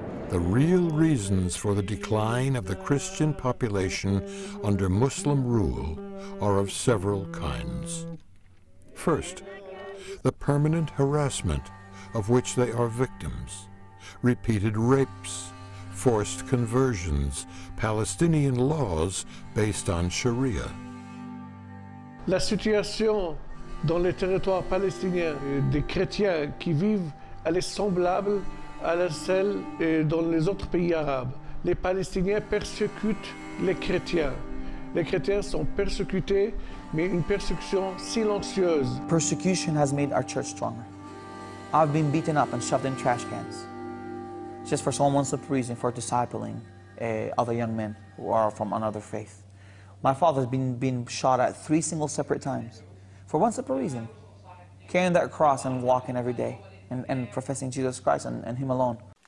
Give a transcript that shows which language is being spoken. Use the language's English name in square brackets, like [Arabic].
[English] The real reasons for the decline of the Christian population under Muslim rule are of several kinds. First, the permanent harassment of which they are victims, repeated rapes, forced conversions, Palestinian laws based on Sharia. [French] La situation dans les territoires palestiniens des chrétiens qui vivent, elle est semblable à celle dans les autres pays arabes. Les Palestiniens persécutent les chrétiens. Les chrétiens sont persécutés, mais une persécution silencieuse. [English] Persecution has made our church stronger. I've been beaten up and shoved in trash cans just for some one simple reason, for discipling other young men who are from another faith. My father's been shot at three single separate times for one simple reason, carrying that cross and walking every day and professing Jesus Christ and him alone.